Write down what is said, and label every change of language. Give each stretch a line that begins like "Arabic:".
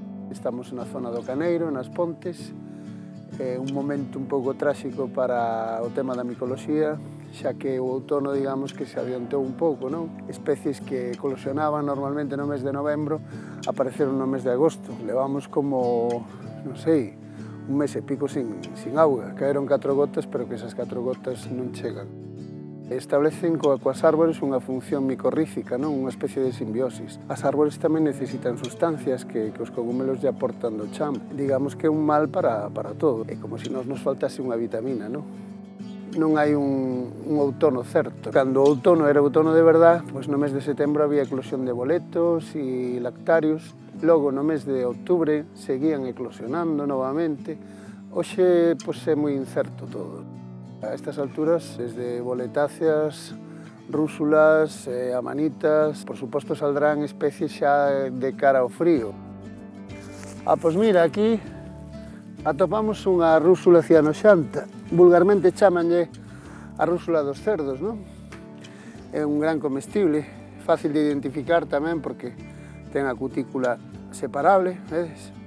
Spanish: Estamos en la zona do Caneiro, en las Pontes. Un momento un poco trágico para el tema de la micología, ya que el outono, digamos, que se adiantó un poco, ¿no? Especies que colisionaban normalmente en el mes de noviembre aparecieron en el mes de agosto. Levamos como, no sé, un mes y pico sin agua. Caeron cuatro gotas, pero que esas cuatro gotas no llegan.
Galician: Establecen coas árboles unha función micorrífica, non? Unha especie de simbiosis. As árboles tamén necesitan sustancias que os cogumelos lle aportan do chan. Digamos que é un mal para todo. É como se nos faltase unha vitamina, non? Non hai un outono certo. Cando o outono era outono de verdad, pois no mes de setembro había eclosión de boletos e lactarios. Logo, no mes de outubro, seguían eclosionando novamente. Hoxe, pois, é moi incerto todo. A estas alturas, desde boletáceas, rúsulas, amanitas, por suposto, saldrán especies xa de cara ao frío. Ah, pois mira, aquí atopamos unha rúsula cianoxanta. Vulgarmente chamanlle a rúsula dos cerdos, non? É un gran comestible, fácil de identificar tamén, porque ten a cutícula separable, ves?